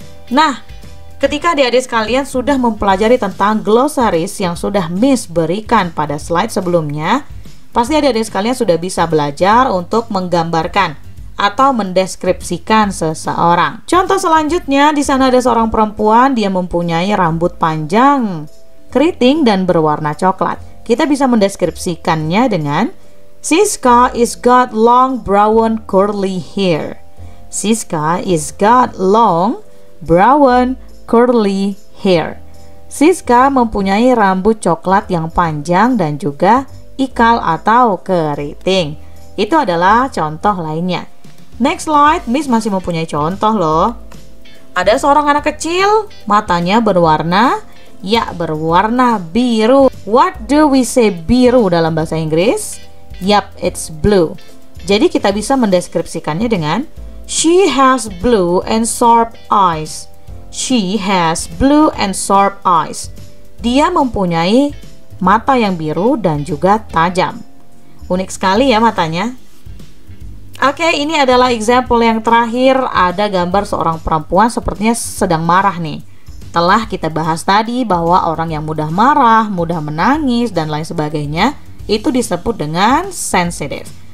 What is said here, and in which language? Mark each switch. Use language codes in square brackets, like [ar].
[id] Nah, ketika adik-adik sekalian sudah mempelajari tentang glosaris yang sudah Miss berikan pada slide sebelumnya, pasti adik-adik sekalian sudah bisa belajar untuk menggambarkan atau mendeskripsikan seseorang. Contoh selanjutnya, di sana ada seorang perempuan, dia mempunyai rambut panjang, keriting, dan berwarna coklat. Kita bisa mendeskripsikannya dengan [en] Siska is got long brown curly hair. Siska is got long brown curly hair. [id] Siska mempunyai rambut coklat yang panjang dan juga ikal atau keriting. Itu adalah contoh lainnya. [en] Next slide, [id] Miss masih mempunyai contoh loh. Ada seorang anak kecil, matanya berwarna, ya berwarna biru. [en] What do we say [id] biru dalam bahasa Inggris? [en] Yup, it's blue. [id] Jadi kita bisa mendeskripsikannya dengan [en] She has blue and sharp eyes. She has blue and sharp eyes. [id] Dia mempunyai mata yang biru dan juga tajam. Unik sekali ya matanya. Oke, ini adalah example yang terakhir. Ada gambar seorang perempuan sepertinya sedang marah nih. Telah kita bahas tadi bahwa orang yang mudah marah, mudah menangis, dan lain sebagainya itu disebut dengan sensitive.